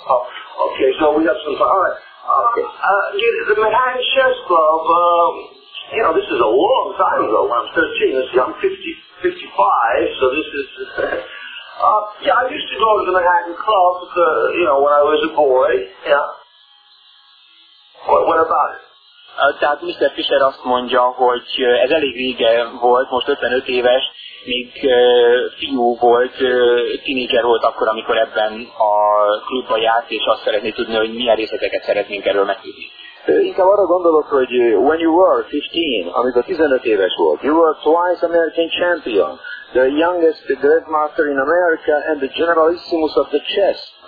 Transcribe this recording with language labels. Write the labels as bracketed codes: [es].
[en] Oh, okay, so we have some time. All right. Okay. The Manhattan Chess Club, this is a long time ago. When I'm 13, let's see, I'm 55, so this is... I used to go to the Manhattan Club, when I was a boy, yeah. What about it? [hu] Tehát Mr. Fischer azt mondja, hogy ez elég régen volt, most 55 éves, még fiú volt, tínédzser volt akkor, amikor ebben a klubba járt, és azt szeretné tudni, hogy milyen részleteket szeretnénk erről megtudni. Inkább arra gondolok, hogy [en] when you were 15, [hu] amikor 15 éves volt, [en] you were twice American champion, the youngest grandmaster in America and the generalissimus of the chess.